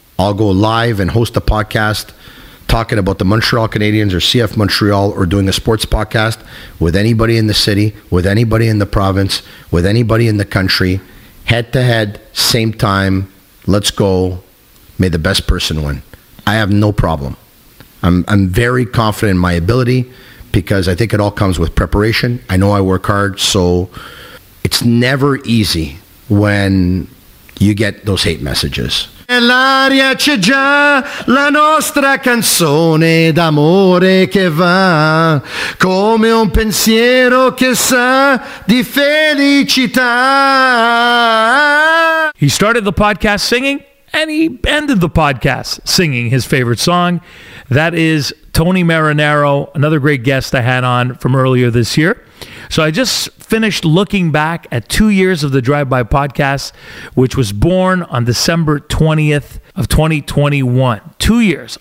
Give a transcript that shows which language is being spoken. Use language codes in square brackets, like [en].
[en] I'll go live and host a podcast talking about the Montreal Canadiens or CF Montreal, or doing a sports podcast with anybody in the city, with anybody in the province, with anybody in the country, head-to-head, same time. Let's go. May the best person win. I have no problem. I'm very confident in my ability because I think it all comes with preparation. I know I work hard, so it's never easy when you get those hate messages. [it] L'aria c'è già, la nostra canzone d'amore che va, come un pensiero che sa di felicità. [en] He started the podcast singing, and he ended the podcast singing his favorite song. That is Tony Marinaro, another great guest I had on from earlier this year. So I just finished looking back at 2 years of the Drive-By podcast, which was born on December 20th of 2021. 2 years.